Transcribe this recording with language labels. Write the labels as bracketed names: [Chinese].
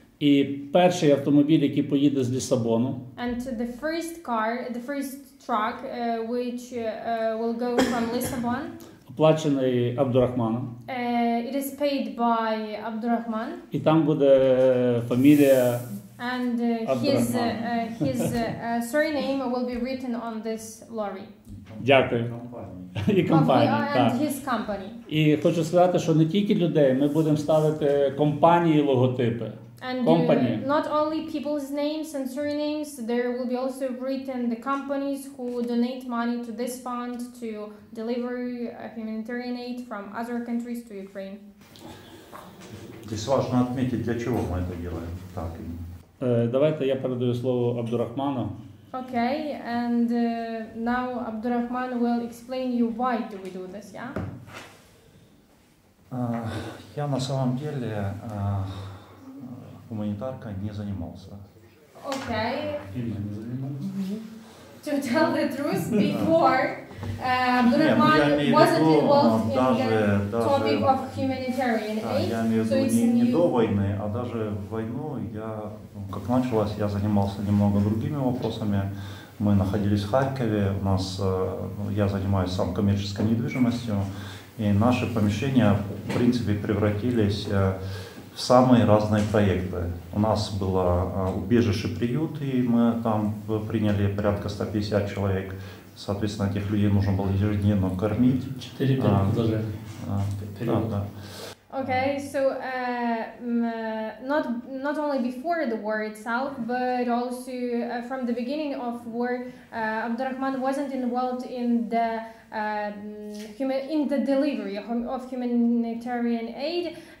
[Ukrainian] І перший автомобіль, який поїде з Лісабону. [English] And the first car, the first truck which will go from Lisbon. [Ukrainian] Оплачений Абдурахманом. [English] It is paid by Abdurakhman. [Ukrainian] І там буде фамілія. [English] And his surname will be written on this lorry. [Ukrainian] Дякую. І компанії. [English] And his company. [Ukrainian] І хочу сказати, що не тільки людей, ми будемо ставити компанії логотипи. [English] And company. Not only people's names and surnames, there will be also written the companies who donate money to this fund to deliver humanitarian aid from other countries to Ukraine. [Russian] Здесь важно отметить, для чего мы это делаем. Так. Давайте я передаю слово Абдурахману. [English] Okay, and now Абдурахман will explain you why do we do this, yeah? [Russian] Я на самом деле гуманитарка не занимался. [English] Okay. [Russian] Не занимался. [English] To tell the truth, before Абдурахман wasn't involved [Russian] даже, [English] in the topic of humanitarian aid. [Russian] Я имею в виду не до войны, а даже в войну я, как началось, я занимался немного другими вопросами. Мы находились в Харькове, у нас я занимаюсь сам коммерческой недвижимостью, и наши помещения в принципе превратились в самые разные проекты. У нас было убежище приют, и мы там приняли порядка 150 человек. Соответственно, этих людей нужно было ежедневно кормить. 4-5 [English] Okay, so not only before the war itself, but also from the beginning of war, Абдурахман wasn't involved in the delivery of humanitarian aid.